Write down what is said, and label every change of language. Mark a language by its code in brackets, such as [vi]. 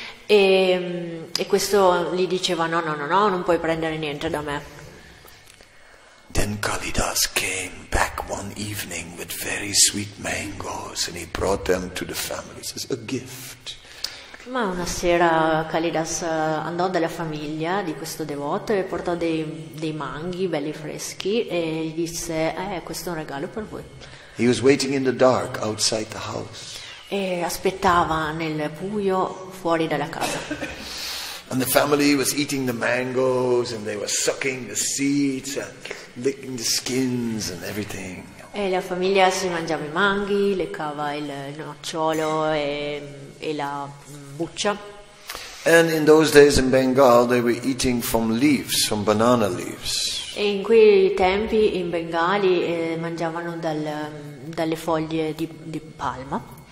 [it] e questo gli diceva no, non puoi prendere niente da me. [en] Then Kalidas came back one evening with very sweet mangoes and he brought them to the family. It's a gift. [it] Ma una sera Kalidas andò dalla famiglia di questo devoto e portò dei manghi belli freschi e gli disse, questo è un regalo per voi. [en] He was waiting in the dark outside the house. [it] E aspettava nel buio fuori dalla casa. [en] And the family was eating the mangoes and they were sucking the seeds and licking the skins and everything. [it] E la famiglia si mangiava i manghi, leccava il nocciolo e la buccia. [en] And in those days in Bengal they were eating from leaves, from banana leaves. [it] E in quei tempi in Bengali mangiavano dalle foglie di palma.